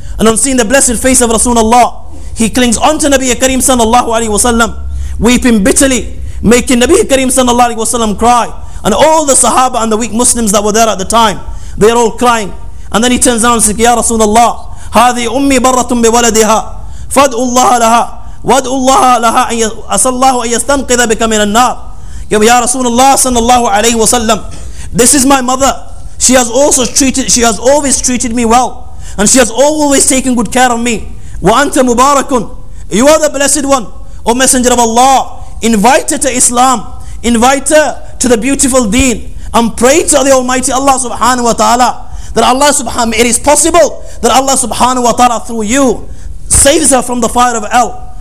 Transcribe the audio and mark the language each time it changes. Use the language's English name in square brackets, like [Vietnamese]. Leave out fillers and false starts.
[English] And on seeing the blessed face of Rasulullah, he clings onto Nabi Kareem sallallahu alayhi wa sallam, weeping bitterly, making Nabi Kareem sallallahu alayhi wa sallam cry. And all the Sahaba and the weak Muslims that were there at the time, they're all crying. And then he turns around and says, Ya Rasulullah, [Arabic] هذه أمي برة بولدها فادعوا الله لها وادعو الله لها أسأل الله أن يستنقذ بك من النار. يا رسول الله صلى الله عليه وسلم, [English] this is my mother. She has always treated me well, and she has always taken good care of me. [Arabic] وَأَنْتَ مُبَارَكٌ, [English] you are the blessed one. O Messenger of Allah, invite her to Islam, invite her to the beautiful deen, and pray to the Almighty Allah subhanahu wa ta'ala, that Allah subhanahu wa ta'ala, it is possible that Allah subhanahu wa ta'ala through you saves her from the fire of hell.